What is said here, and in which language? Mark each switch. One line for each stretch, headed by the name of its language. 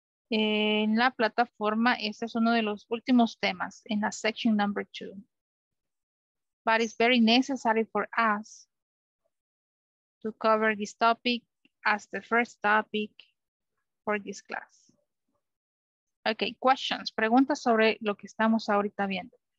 Spanish: En la plataforma, este es uno de los últimos temas, en la section number 2.
English: But it's very necessary for us to cover this topic as the first topic for this class.
Spanish: Okay, questions, preguntas sobre lo que estamos ahorita viendo.